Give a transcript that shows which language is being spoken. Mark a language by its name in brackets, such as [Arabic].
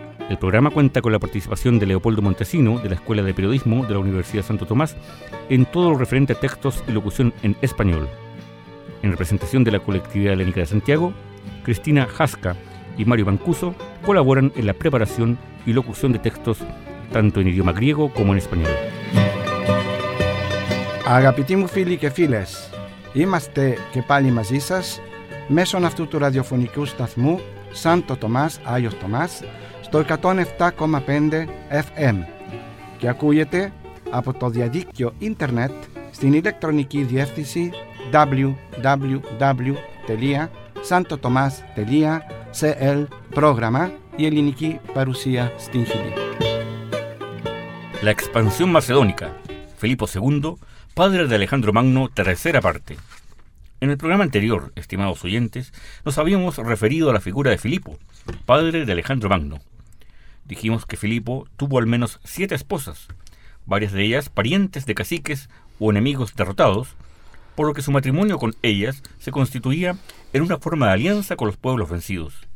[Spanish] El programa cuenta con la participación de Leopoldo Montesino, de la Escuela de Periodismo de la Universidad Santo Tomás, en todo lo referente a textos y locución en español. En representación de la Colectividad Helénica de Santiago, Cristina Jasca y Mario Mancuso colaboran en la preparación y locución de textos, tanto en idioma griego como en español. [Greek] Αγαπητοί φίλοι και φίλες, είμαστε και πάλι μαζί σας μέσω αυτού του ραδιοφωνικού σταθμού Σάντο Τομάς, Άγιος Τομάς, στο 107,5 FM και ακούγεται από το διαδίκτυο ίντερνετ στην ηλεκτρονική διεύθυνση www.santotomas.cl πρόγραμμα η ελληνική παρουσία στην Χιλή. [Spanish] La expansión macedónica, Filipo II, padre de Alejandro Magno, tercera parte. En el programa anterior, estimados oyentes, nos habíamos referido a la figura de Filipo, padre de Alejandro Magno. Dijimos que Filipo tuvo al menos 7 esposas, varias de ellas parientes de caciques o enemigos derrotados, por lo que su matrimonio con ellas se constituía en una forma de alianza con los pueblos vencidos.